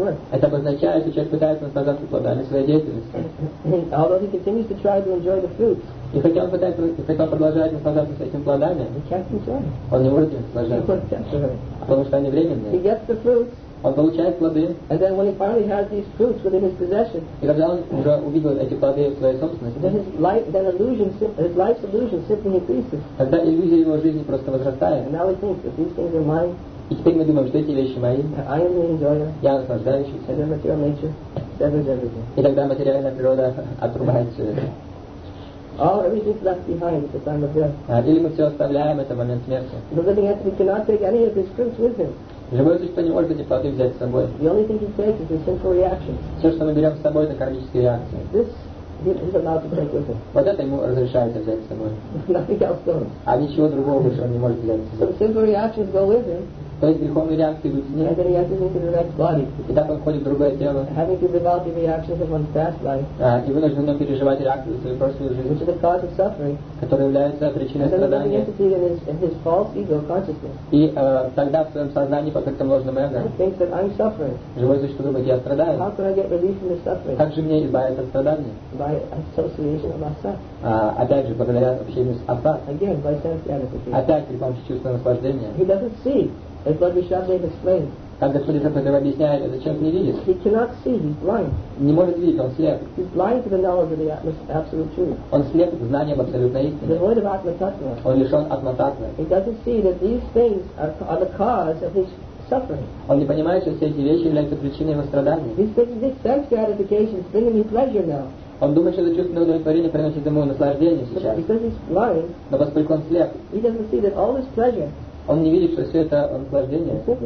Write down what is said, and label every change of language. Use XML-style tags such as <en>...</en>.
<ru>Это обозначает, что человек пытается наслаждаться плодами своей деятельности. И хотя он пытается продолжать наслаждаться этим плодами, он не может им наслаждаться, потому что они временные. Он получает плоды.</ru> <en>And then when he finally has these fruits within his possession,</en> <ru>и когда он уже увидел эти плоды в своей собственности,</ru> <en>his life's illusion simply increases.</en> <ru>Тогда иллюзия его жизни просто возрастает.</ru> <en>And now he thinks that these things are mine.</en> <ru>И теперь мы думаем, что эти вещи мои.</ru> <en>I am the enjoyer.</en> <ru>Я наслаждающийся.</ru> <en>And then material nature severs everything.</en> <ru>И тогда материальная природа отрубает все это.</ru> <en>All everything's left behind at the time of death.</en> <ru>Или мы все оставляем в этот момент смерти.</ru> <en>The living entity cannot take any of these fruits with him.</en> <ru>Живое существо не может эти плоды взять с собой.</ru> <en>The only thing he takes is a simple reaction.</en> <ru>Все, что мы берем с собой, это кармические реакции.</ru> <en>This he's allowed to take with him.</en> <ru>Вот это ему разрешается взять с собой.</ru> <en>Nothing else does.</en> <ru>А ничего другого больше он не может взять с собой.</ru> <en>So the simple reactions go with him.</en> <ru>То есть греховные реакции будут с ним.</ru> <en>And then he enters into the next body.</en> <ru>И так он входит в другое тело.</ru> <en>Having to live out the reactions of one's past life.</en> <ru>И вынужден вновь переживать реакции своей прошлой жизни.</ru> <en>Which is the cause of suffering.</en> <ru>Которая является причиной страдания.</ru> <en>And then the living entity in his false ego consciousness.</en> <ru>И тогда в своем сознании, покрытом ложным эго,</ru> <en>thinks that I'm suffering.</en> <ru>Живое существо думает, я страдаю.</ru> <en>How can I get relief from this suffering?</en> <ru>Как же мне избавиться от страдания?</ru> <en>By association of asat.</en> <ru>Опять же, благодаря общению с асат.</ru> <en>Again, by sense gratification.</en> <ru>Опять при помощи чувства наслаждения.</ru> <en>He doesn't see. As Lord Vishwadeva explained.</en> <ru>Как Господи Сапатова объясняет, этот человек не видит.</ru> <en>He cannot see, he's blind.</en> <ru>Не может видеть, он слеп.</ru> <en>He's blind to the knowledge of the absolute truth.</en> <ru>Он слеп к знаниям абсолютной истины.</ru> <en>The void of атма-татва.</en> <ru>Он лишен атма-татва.</ru> <en>He doesn't see that these things are the cause of his suffering.</en> <ru>Он не понимает, что все эти вещи являются причиной его страдания.</ru> <en>He's thinking this sense gratification is bringing me pleasure now.</en> <ru>Он думает, что это чувственное удовлетворение приносит ему наслаждение сейчас.</ru> <en>Blind,</en> <ru>но поскольку он слеп,</ru> <en>he doesn't see that all this pleasure.</en> <ru>Он не видит, что все это наслаждение.</ru>